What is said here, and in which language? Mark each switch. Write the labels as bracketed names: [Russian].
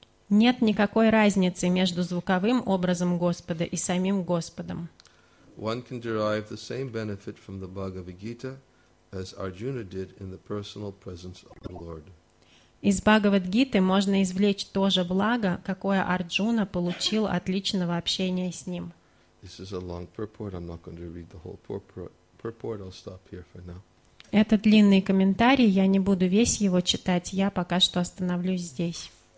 [Russian] Нет никакой разницы между звуковым образом Господа и самим Господом. [English] One can derive the same benefit from the Bhagavad-gita as Arjuna did in the personal presence of the Lord. [Russian] Из Бхагавад-гиты можно извлечь то же благо, какое Арджуна получил от личного общения с ним. [English] This is a long purport. I'm not going to read the whole purport. I'll stop here for now. [Russian] Это длинный комментарий. Я не буду весь его читать. Я пока что остановлюсь здесь.